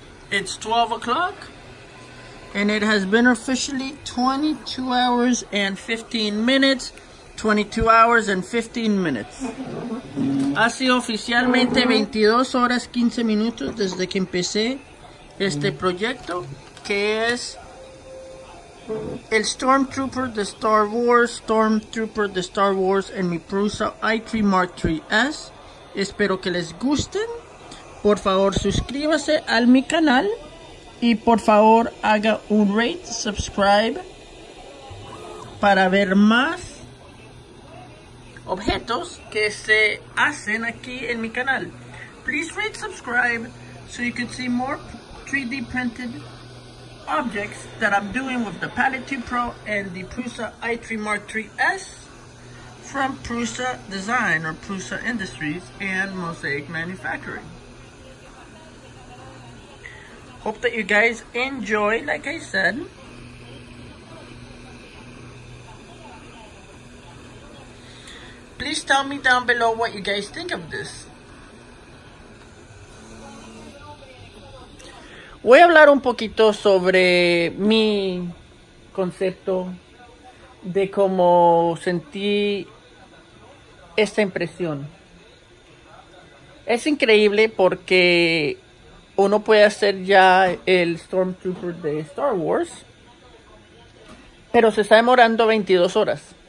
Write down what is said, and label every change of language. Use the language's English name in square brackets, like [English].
[English] It's 12 o'clock and it has been officially 22 hours and 15 minutes. 22 hours and 15 minutes. [Spanish] Ha sido oficialmente 22 horas 15 minutos desde que empecé este proyecto, que es el Stormtrooper de Star Wars, en mi Prusa i3 Mark III S. Espero que les gusten. Por favor, suscríbase a mi canal y por favor haga un [English] rate, subscribe, [Spanish] para ver más objetos que se hacen aquí en mi canal. [English] Please rate, subscribe, so you can see more 3D printed objects that I'm doing with the Palette 2 Pro and the Prusa i3 Mark III S from Prusa Design or Prusa Industries and Mosaic Manufacturing. Hope that you guys enjoy, like I said. Please tell me down below what you guys think of this. [Spanish] Voy a hablar un poquito sobre mi concepto de cómo sentí esta impresión. Es increíble porque uno puede hacer ya el Stormtrooper de Star Wars, pero se está demorando 22 horas.